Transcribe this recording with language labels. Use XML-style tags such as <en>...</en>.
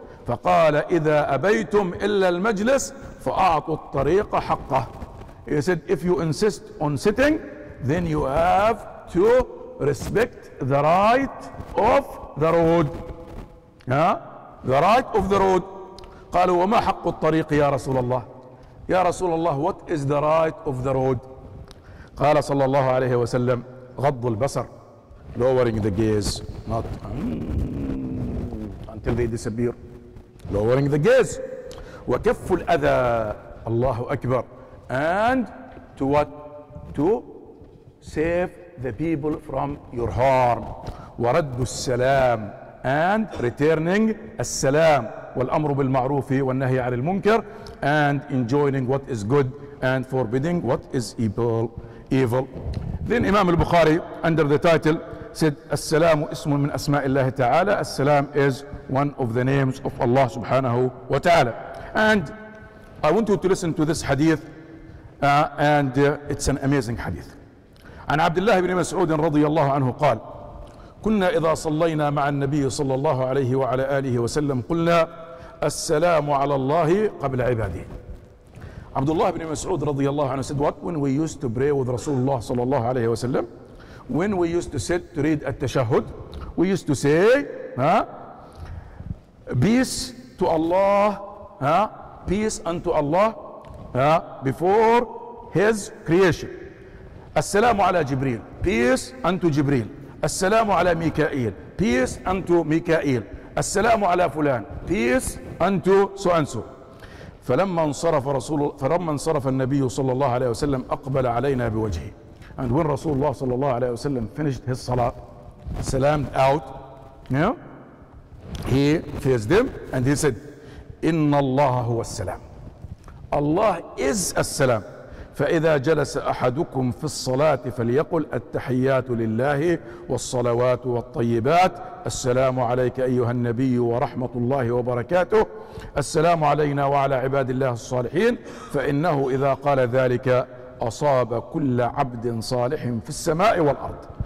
<ar>فقال إذا أبيتم إلا المجلس فأعطوا الطريق حقه.</ar> <en>He said, if you insist on sitting, then you have to respect the right of the road. The right of the road.</en> <ar>قالوا وما حق الطريق يا رسول الله. يا رسول الله,</ar> <en>what is the right of the road?</en> <ar>قال صلى الله عليه وسلم, غض البصر,</ar> <en>lowering the gaze, not until they disappear. Lowering the gaze.</en> <ar>وكف الأذى. الله أكبر.</ar> <en>And to what? To save the people from your harm.</en> <ar>ورد السلام.</ar> <en>And returning</en> <ar>السلام. والأمر بالمعروف والنهي عن المنكر.</ar> <en>And enjoining what is good and forbidding what is evil. Then Imam al-Bukhari under the title said,</en> <ar>السلام اسم من أسماء الله تعالى.</ar> <en>السلام is one of the names of Allah subhanahu wa ta'ala. And I want you to listen to this hadith, it's an amazing hadith.</en> <ar>عن عبد الله بن مسعود رضي الله عنه قال, كنا إذا صلينا مع النبي صلى الله عليه وعلى آله وسلم قلنا السلام على الله قبل عباده.</ar> <en>عبد الله بن مسعود</en> <ar>رضي الله عنه</ar> <en>said, what? When we used to pray with Rasulullah</en> <ar>صلى الله عليه وسلم,</ar> <en>when we used to sit to read at-tashahud, we used to say, peace to Allah, peace unto Allah, before his creation. Assalamu ala Jibreel, peace unto Jibreel. Assalamu ala Mikael, peace unto Mikael. Assalamu ala Fulan, peace unto so and so.</en> <ar>فلما انصرف النبي صلى الله عليه وسلم أقبل علينا بوجهه.</ar> <en>And when Rasulullah sallallahu alayhi wa sallam finished his salah, salamed out, he faced them and he said, Inna Allah huwa as-salam. Allah is as-salam.</en> <ar>فَإِذَا جَلَسَ أَحَدُكُمْ فِي الصَّلَاةِ فَلْيَقُلْ أَتَّحِيَّاتُ لِلَّهِ وَالصَّلَوَاتُ وَالطَّيِّبَاتُ السَّلَامُ عَلَيْكَ أَيُّهَا النَّبِيُّ وَرَحْمَةُ اللَّهِ وَبَرَكَاتُهُ السَّلَامُ عَلَيْنَا وَعَلَى عِبَادِ اللَّهِ الصَّالِحِينَ فَإِنَّهُ إِذَا قَالَ ذَلِكَ أصاب كل عبد صالح في السماء والأرض</ar>